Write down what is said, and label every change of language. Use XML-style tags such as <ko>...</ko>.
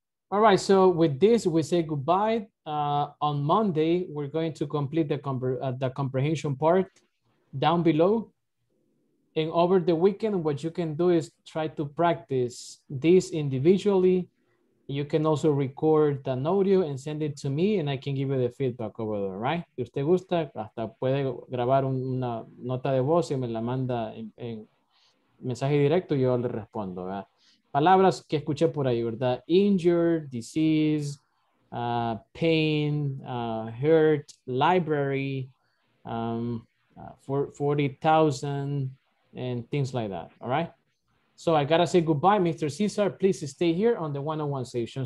<en>All right, so with this, we say goodbye. On Monday, we're going to complete the comprehension part down below. And over the weekend, what you can do is try to practice this individually. You can also record an audio and send it to me, and I can give you the feedback over there, right?</en> <es>Si usted gusta, hasta puede grabar una nota de voz y me la manda en mensaje directo, yo le respondo, ¿verdad? Palabras que escuché por ahí, ¿verdad?</es> <en>Injured, disease, pain, hurt, library, 40,000, and things like that, all right? So I gotta say goodbye, Mr. Cesar. Please stay here on the one-on-one session.</en>